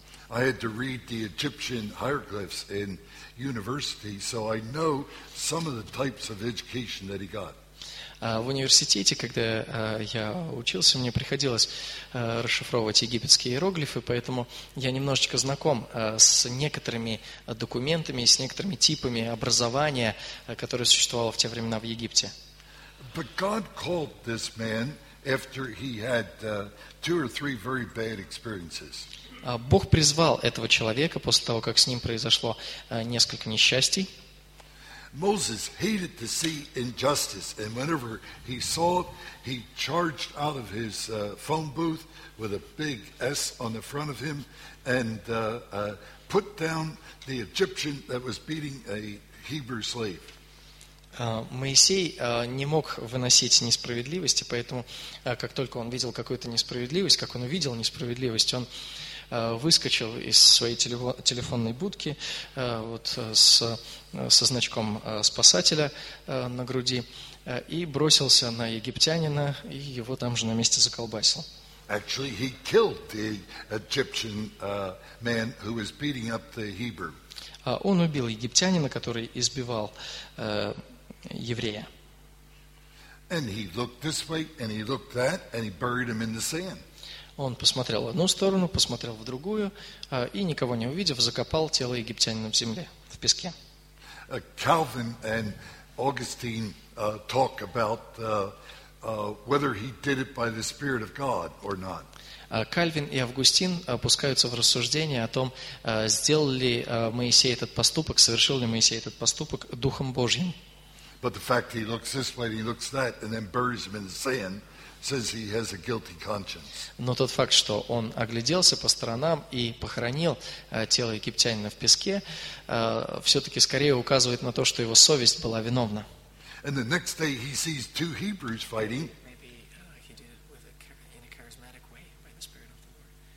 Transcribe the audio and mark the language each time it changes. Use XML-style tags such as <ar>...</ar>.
<en>I had to read the Egyptian hieroglyphs in university, so I know some of the types of education that he got.</en> <ru>В университете, когда я учился, мне приходилось расшифровывать египетские иероглифы, поэтому я немножечко знаком с некоторыми документами, с некоторыми типами образования, которое существовало в те времена в Египте.</ru> <en>But God called this man after he had two or three very bad experiences.</en> <ru>Бог призвал этого человека после того, как с ним произошло несколько несчастий.</ru> <en>Moses hated to see injustice, and whenever he saw it, he charged out of his phone booth with a big S on the front of him and put down the Egyptian that was beating a Hebrew slave.</en> <ru>Моисей не мог выносить несправедливости, поэтому, как только он видел какую-то несправедливость, как он увидел несправедливость, он выскочил из своей телефонной будки вот, со значком спасателя на груди и бросился на египтянина, и его там же на месте заколбасил.</ru> <en>Actually, he killed the Egyptian man who was beating up the Hebrew.</en> <ru>Он убил египтянина, который избивал еврея.</ru> <en>And he looked this way, and he looked that, and he buried him in the sand.</en> <ru>Он посмотрел в одну сторону, посмотрел в другую, и, никого не увидев, закопал тело египтянина в земле, в песке.</ru> <en>Calvin and Augustine talk about whether he did it by the Spirit of God or not.</en> <ru>Кальвин и Августин опускаются в рассуждение о том, сделал ли Моисей этот поступок, совершил ли Моисей этот поступок Духом Божьим.</ru> <en>But the fact he looks this way, he looks that, and then buries him in the sand, says he has a guilty conscience.</en> <ru>Но тот факт, что он огляделся по сторонам и похоронил тело египтянина в песке, все-таки скорее указывает на то, что его совесть была виновна.</ru> <en>And the next day he sees two Hebrews fighting. Maybe he did it with in a charismatic way by the Spirit of the Lord.</en>